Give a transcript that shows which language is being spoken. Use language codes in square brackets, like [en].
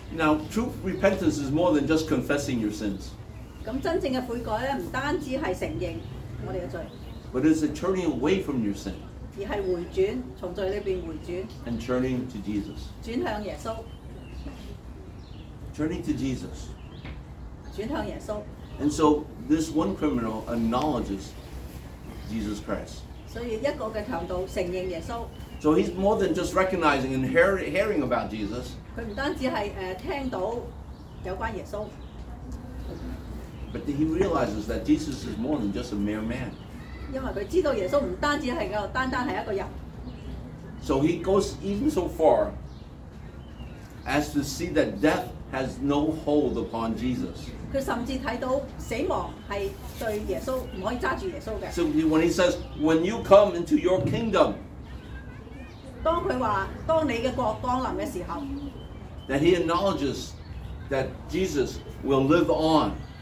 [en] Now, true repentance is more than just confessing your sins. [zh] 真正的悔改不单止是承认我们的罪， [en] but it's a turning away from your sin， [zh] 而是回转，从罪里面回转， [en] and turning to Jesus， [zh] 转向耶稣， [en] turning to Jesus， [zh] 转向耶稣。 [en] And so this one criminal acknowledges Jesus Christ， [zh] 所以一个的强盗承认耶稣。 [en] So he's more than just recognizing and hearing about Jesus， [zh] 他不单止是听到有关耶稣， [en] but he realizes that Jesus is more than just a mere man. So he goes even so far as to see that death has no hold upon Jesus. So when he says, when you come into your kingdom, that he acknowledges that Jesus will live on.